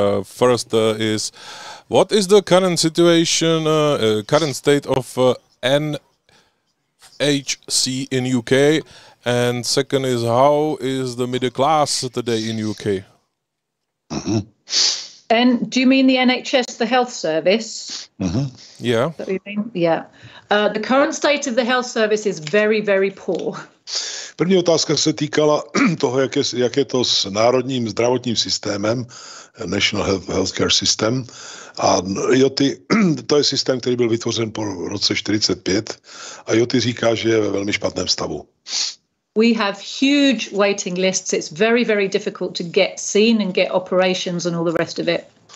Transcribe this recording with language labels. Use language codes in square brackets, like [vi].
[en] First is, what is the current situation, current state of NHC in UK? And second is, how is the middle class today in UK? Mm-hmm. And do you mean the NHS, the health service? Mm-hmm. Yeah. The current state of the health service is very, very poor. [cs] První otázka se týkala toho, jak je to s národním zdravotním systémem, National Healthcare System. A Joti, to je systém, který byl vytvořen po roce 45 a Joti říká, že je ve velmi špatném stavu. [en] We have huge waiting lists. It's very, very difficult to get seen and get operations and all the rest of it.